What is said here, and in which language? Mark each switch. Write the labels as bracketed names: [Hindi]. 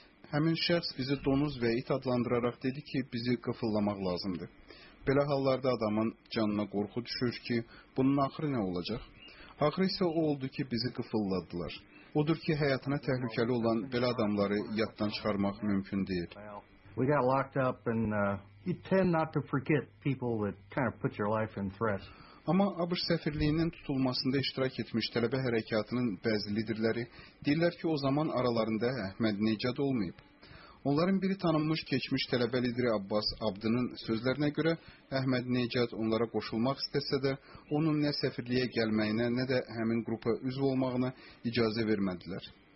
[Azerbaijani] Həmin şəxs bizi donuz və it adlandıraraq dedi ki, bizi qıfıllamaq lazımdır. Belə hallarda adamın canına qorxu düşür ki, bunun axırı nə olacaq? Axırı isə o oldu ki, bizi qıfılladılar. Odur ki, həyatına təhlükəli olan belə adamları yaddan çıxarmaq mümkün deyil. [English] We got locked up and you tend not to forget people that kind of put your life in threat. [Azerbaijani] Amma ABŞ səfirliyinin tutulmasında iştirak etmiş tələbə hərəkatının bəzi liderləri deyirlər ki, o zaman aralarında Əhməd Necad olmayıb. Onların biri tanınmış keçmiş tələbə lideri Abbas Abdının sözlərinə görə, Əhməd Necad onlara qoşulmaq istəsə də, onun nə səfirliyə gəlməyinə, nə də həmin qrupa üzv olmağına icazə vermədilər.